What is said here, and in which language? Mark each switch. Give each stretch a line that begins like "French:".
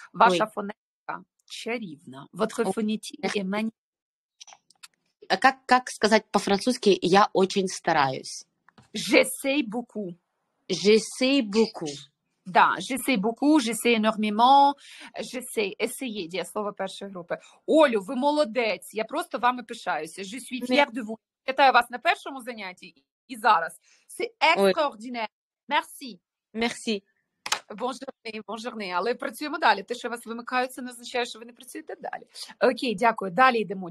Ukrainian: Ваша oui. фонетика чарівна.
French: Votre phonétique est magnifique.
Ukrainian: Як сказати по-французьки, я очень стараюсь.
French: J'essaie beaucoup. J'essaie beaucoup. Да, j'essaie beaucoup, j'essaie énormément, j'essaie, essayer,
Ukrainian: дієслово першої групи. Олю, ви молодець, я просто вами пишаюся.
French: Je suis fier de vous.
Ukrainian: Вітаю вас на першому занятті і зараз.
French: C'est extraordinaire. Merci. Merci.
Ukrainian: Bonjourné, bonjourné. Але працюємо далі. Те, що вас вимикають, це не означає, що ви не працюєте далі. Окей, дякую. Далі йдемо.